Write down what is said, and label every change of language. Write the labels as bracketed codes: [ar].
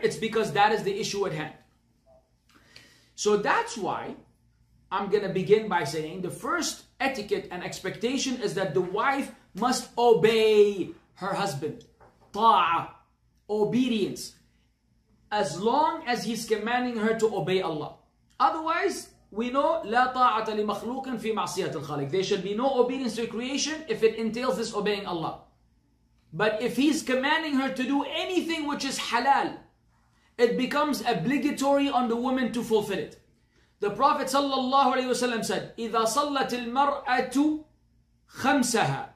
[en] It's because that is the issue at hand. So that's why I'm going to begin by saying the first etiquette and expectation is that the wife must obey her husband. Ta'a. Obedience. As long as he's commanding her to obey Allah. Otherwise, we know [ar] لا طاعة لمخلوق في معصية الخالق. [en] There should be no obedience to creation if it entails disobeying Allah. But if he's commanding her to do anything which is halal, it becomes obligatory on the woman to fulfill it. The Prophet sallallahu alaihi wasallam said, [ar] إذا صلت المرأة خمسها.